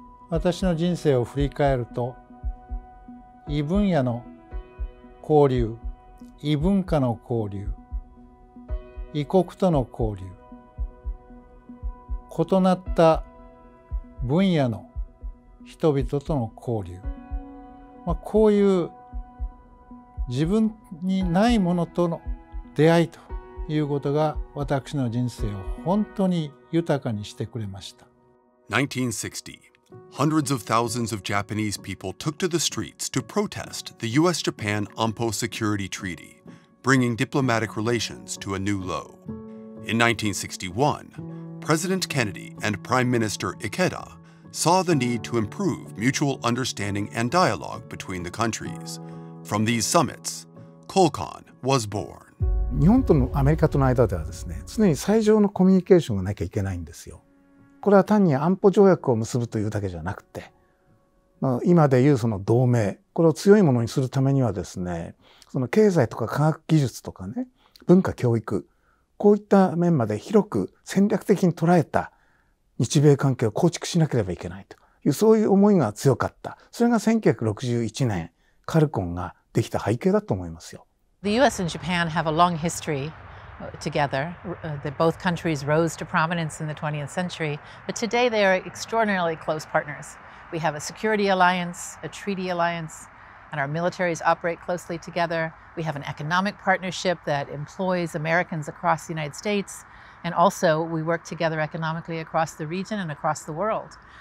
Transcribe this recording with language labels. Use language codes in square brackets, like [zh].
[ja] 私の人生を振り返ると、異分野の交流、異文化の交流、異国との交流、異なった分野の人々との交流、まあ、こういう自分にないものとの出会いということが私の人生を本当に豊かにしてくれました。 [en] 1960, hundreds of thousands of Japanese people took to the streets to protest the U.S.-Japan Anpo Security Treaty, bringing diplomatic relations to a new low. In 1961, President Kennedy and Prime Minister Ikeda saw the need to improve mutual understanding and dialogue between the countries. From these summits, CULCON was born. [ja] 日本とのアメリカとの間ではですね、常に最上のコミュニケーションがなきゃいけないんですよ。これは単に安保条約を結ぶというだけじゃなくて、まあ、今でいうその同盟、これを強いものにするためにはですね、その経済とか科学技術とかね、文化教育、こういった面まで広く戦略的に捉えた日米関係を構築しなければいけないという、そういう思いが強かった。それが1961年、カルコンができた背景だと思いますよ。 [en] The U.S. and Japan have a long history together. Both countries rose to prominence in the 20th century, but today they are extraordinarily close partners. We have a security alliance, a treaty alliance, and our militaries operate closely together. We have an economic partnership that employs Americans across the United States, and also we work together economically across the region and across the world.